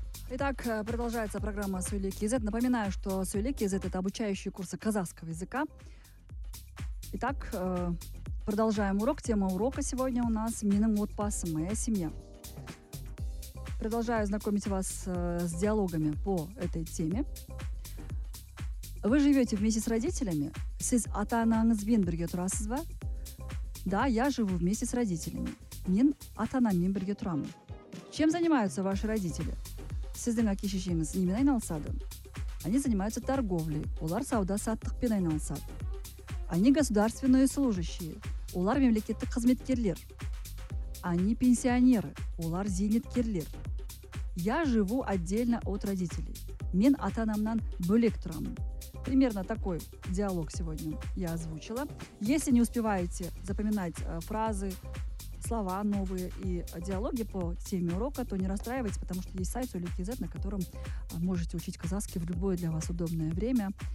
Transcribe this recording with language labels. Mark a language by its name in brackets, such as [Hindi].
[Russian] Итак, продолжается программа «Сөйлер Кизет». Напоминаю, что «Сөйлер Кизет» — это обучающие курсы казахского языка. Итак, продолжаем урок. Тема урока сегодня у нас [Kazakh] «Менің отбасы, [Russian] моя семья». Продолжаю знакомить вас с диалогами по этой теме. Вы живете вместе с родителями? [Kazakh] Сіз ата-анаңызбен бірге тұрасыз ба? [Russian] Да, я живу вместе с родителями. [Kazakh] Мен ата-анаммен бірге тұрамын. [Russian] Чем занимаются ваши родители? [Kazakh] Сіздің әке-шешеңіз немен айналысады? [Russian] Они занимаются торговлей. [Kazakh] Олар сауда-саттықпен айналысады. [Russian] Они государственные служащие. [Kazakh] Олар мемлекеттік қызметкерлер. [Russian] Они пенсионеры. [Kazakh] Олар зейнеткерлер. [Russian] Я живу отдельно от родителей. [Kazakh] Мен ата-анамнан бөлек тұрамын. [Russian] Примерно такой диалог сегодня я озвучила. Если не успеваете запоминать фразы, слова новые и диалоги по теме урока, то не расстраивайтесь, потому что есть сайт «Сөйлер.кз», на котором можете учить казахский в любое для вас удобное время.